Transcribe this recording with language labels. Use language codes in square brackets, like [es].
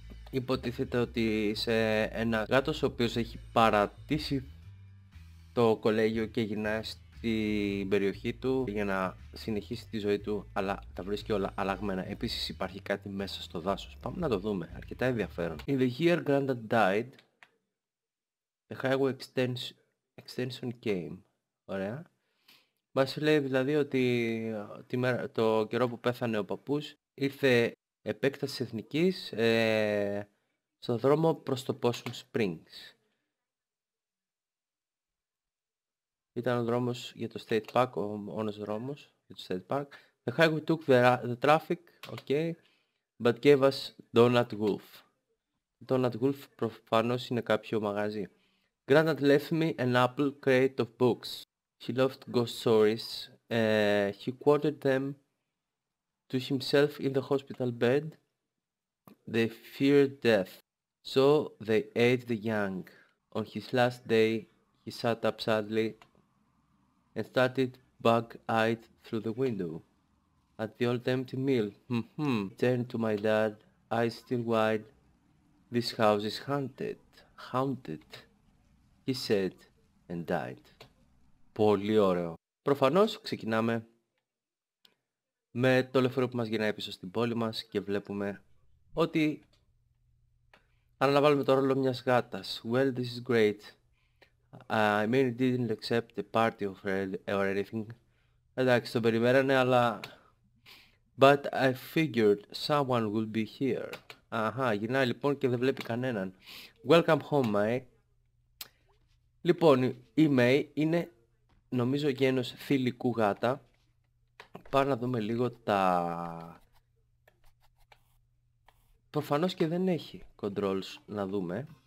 [el] Υποτίθεται ότι είσαι ένα γάτος ο οποίος έχει παρατήσει το κολέγιο και γυρνάει στην περιοχή του για να συνεχίσει τη ζωή του, αλλά τα βρίσκει όλα αλλαγμένα. Επίσης υπάρχει κάτι μέσα στο δάσος. Πάμε να το δούμε, αρκετά ενδιαφέρον. [en] In the year Grandad died, the highway extension came. [el] Ωραία. Μας λέει δηλαδή ότι το καιρό που πέθανε ο παππούς ήρθε επέκταση εθνικής στο δρόμο προς το Possum Springs. Ήταν ο δρόμος για το State Park, ο μόνος δρόμος για το State Park. [en] The highway took the traffic, okay, but gave us Donut Wolf. [el] Donut Wolf προφανώς είναι κάποιο μαγαζί. [en] Granddad left me an apple crate of books. He loved ghost stories. He quoted them to himself in the hospital bed. They feared death, so they ate the young. On his last day, he sat up sadly and started bug-eyed through the window at the old empty mill. Turned to my dad, eyes still wide. This house is haunted. Haunted. He said and died. [el] Πολύ ωραίο. Προφανώς ξεκινάμε με το λεωφορείο που μας γυρνάει πίσω στην πόλη μας και βλέπουμε ότι αναλαμβάνουμε το ρόλο μιας γάτας. [en] Well, this is great. I mean, it didn't accept the party or anything. [el] Εντάξει, τον περιμένανε, αλλά... [en] But I figured someone would be here. [el] Αχα, γυρνάει λοιπόν και δεν βλέπει κανέναν. [en] Welcome home, Mike. [el] Λοιπόν, η May είναι, νομίζω, γένος θηλυκού γάτα. Πάμε να δούμε λίγο τα... Προφανώς και δεν έχει controls να δούμε.